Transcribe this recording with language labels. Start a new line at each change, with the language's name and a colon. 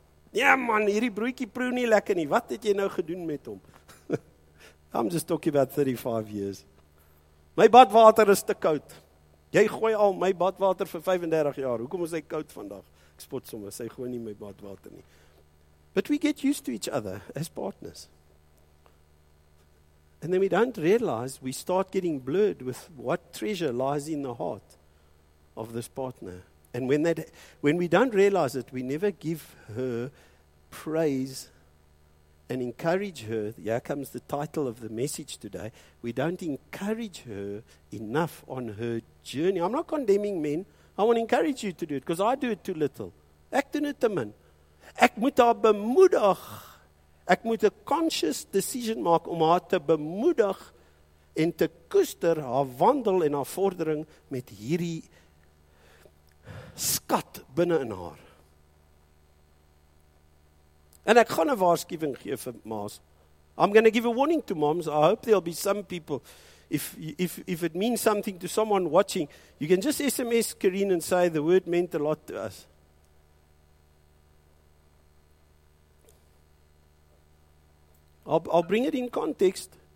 Afrikaans: Ja man, hierdie broodjie proe nie lekker nie. Wat het jy nou gedoen met hom?
English: I'm just talking about 35 years.
Afrikaans: My badwater is te koud. Jy gooi al my badwater vir 35 jaar. Hoekom is hy koud vandag? Ek spot sommer, sy gooi nie my badwater nie.
English: But we get used to each other as partners. And then we don't realize we start getting blurred with what treasure lies in the heart of this partner. And when we don't realize it, we never give her praise and encourage her. Here comes the title of the message today. We don't encourage her enough on her journey. I'm not condemning men. I want to encourage you to do it, because I do it too little.
Afrikaans: Ek doen het te min. Ek moet haar bemoedig. Ek moet
English: a conscious decision
Afrikaans: maak om haar te bemoedig en te koester haar wandel en haar vordering met hierdie skat binne in haar. And ek gaan 'n waarskuwing gee vir ma's.
English: I'm going to give a warning to moms. I hope there'll be some people. If it means something to someone watching, you can just SMS Karine and say the word meant a lot to us. I'll bring it in context.